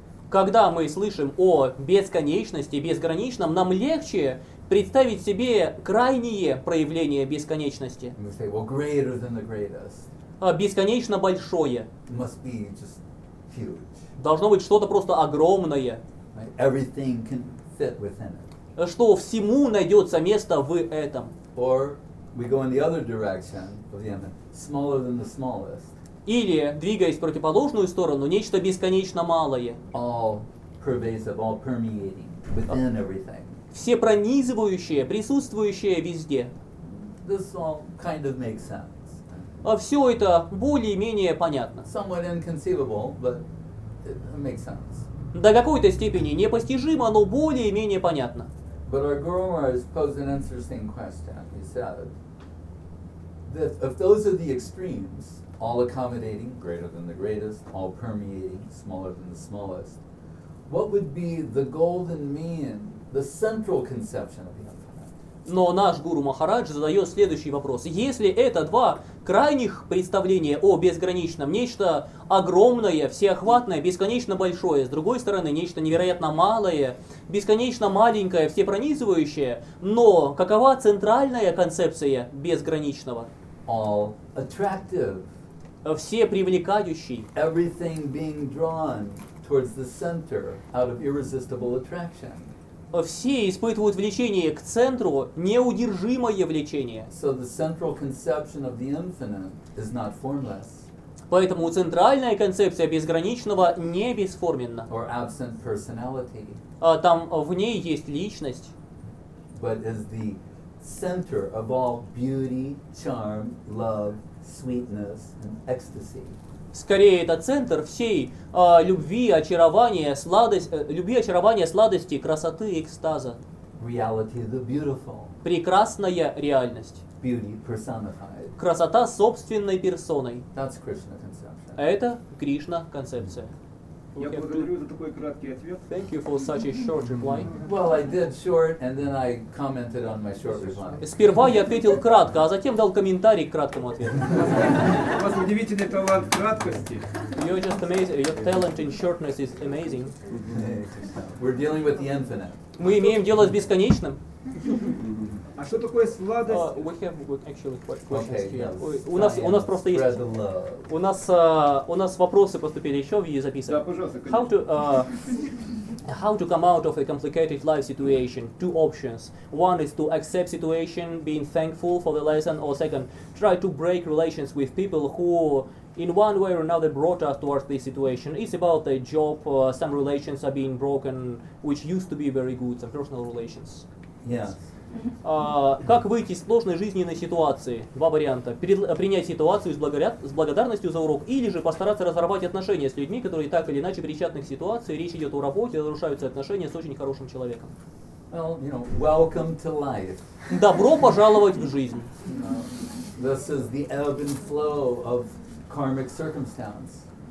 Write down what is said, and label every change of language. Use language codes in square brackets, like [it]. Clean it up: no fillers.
[ru] Когда мы слышим о бесконечности, безграничном, нам легче представить себе крайние проявления бесконечности. [en] And we say, well, greater than the greatest. [ru] Бесконечно большое. [en] Must be just huge. [ru] Должно быть что-то просто огромное. [en] Everything can fit within it. [ru] Что всему найдется место в этом. [en] Or we go in the other direction of the infinite, smaller than the smallest. [ru] Или, двигаясь в противоположную сторону, нечто бесконечно малое. [en] All pervasive, all permeating within everything. [ru] Все пронизывающее, присутствующее везде. [en] This all kind of makes sense. [ru] А все это более-менее понятно. [en] Somewhat inconceivable, but it makes sense. [ru] До какой-то степени непостижимо, но более-менее понятно. [en] But our guru has posed an interesting question. He said, that if those are the extremes, all accommodating, greater than the greatest, all permeating, smaller than the smallest. What would be the golden mean, the central conception of the infinite? [ru] Но наш гуру Махарадж задает следующий вопрос. Если это два крайних представления о безграничном, нечто огромное, всеохватное, бесконечно большое, с другой стороны, нечто невероятно малое, бесконечно маленькое, всепронизывающее, но какова центральная концепция безграничного? [en] All attractive. [ru] Все привлекающие. [en] Everything being drawn towards the center out of irresistible attraction. [ru] все испытывают влечение к центру, неудержимое влечение. [en] So the central conception of the infinite is not formless. [ru] Поэтому центральная концепция безграничного не бесформенна. [en] Or absent personality. [ru] Там в ней есть личность. [en] But is the center of all beauty, charm, love, sweetness, and ecstasy. [ru] Скорее, это центр всей любви, очарования, сладости, любви, очарования, сладости, красоты, экстаза. [en] Reality, the beautiful. [ru] Прекрасная реальность. [en] Beauty personified. [ru] Красота собственной персоной. [en] That's Krishna conception. [ru] Это Кришна концепция. Я благодарю за такой краткий ответ. [en] Thank you for such a short reply. Well, I did short, and then I commented on my short reply. [ru] Сперва я ответил кратко, а затем дал комментарий к краткому ответу. У вас удивительный талант краткости. [en] You're just amazing. Your talent in shortness is amazing. We're dealing with the infinite. [ru] Мы имеем дело с бесконечным. А что такое сладость? [en] We have good, actually, questions here. Okay, yes. [ru] У нас просто есть... У нас вопросы поступили еще в записи. Да, пожалуйста, конечно. [en] How to come out of a complicated life situation? Two options. One is to accept situation, being thankful for the lesson, or second, try to break relations with people who in one way or another brought us towards this situation. It's about a job, some relations are being broken, which used to be very good, some personal relations. Yes. [ru] Как выйти из сложной жизненной ситуации? Два варианта. Принять ситуацию с благодарностью за урок, или же постараться разорвать отношения с людьми, которые так или иначе причастны к ситуации. Речь идет о работе, нарушаются отношения с очень хорошим человеком. [en] Well, you know, welcome to life. [ru] Добро пожаловать в жизнь. [en] You know, this is the ebb and flow of karmic circumstance.